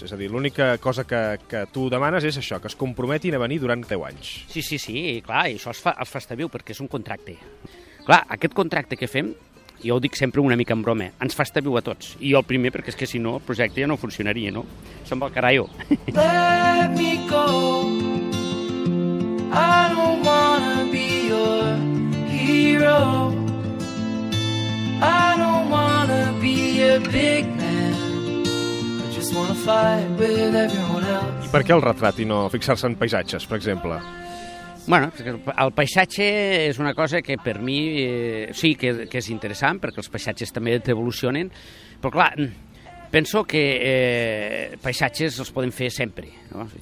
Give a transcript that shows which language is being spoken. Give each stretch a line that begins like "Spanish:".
Catalan: És a dir, l'única cosa que tu demanes és això, que es comprometin a venir durant 10 anys. Sí, sí, sí, i clar, i això els fa estar viu perquè és un contracte. Clar, aquest contracte que fem, jo ho dic sempre una mica en broma, ens fa estar viu a tots. I jo el primer, perquè és que si no el projecte ja no funcionaria, no? Som el carallo.
English: Let me go, I don't wanna be your hero. I don't wanna be a big man. I just wanna fight with everyone else.
Catalan: I per què el retrat i no fixar-se en paisatges, per exemple? Bueno, el paisatge és una cosa que per mi sí que és interessant, perquè els paisatges també evolucionen, però clar, penso que paisatges els podem fer sempre, no?